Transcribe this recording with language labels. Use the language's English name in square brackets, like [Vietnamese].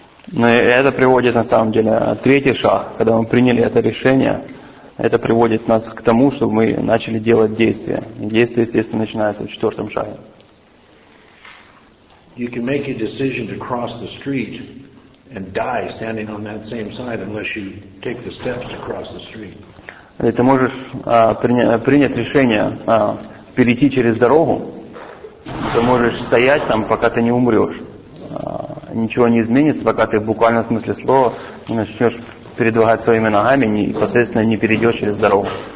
[Russian] Но это приводит на самом деле третий шаг, когда мы приняли это решение, это приводит нас к тому, чтобы мы начали делать действия. Действие, естественно, начинается в четвертом шаге. [English] You can make a decision to cross the street and die standing on that same side unless you take the steps to cross the street. [Russian] Ты можешь принять решение перейти через дорогу, ты можешь стоять там, пока ты не умрешь. Ничего не изменится, пока ты в буквальном смысле слова не начнешь передвигать своими ногами и, соответственно, не перейдешь через дорогу.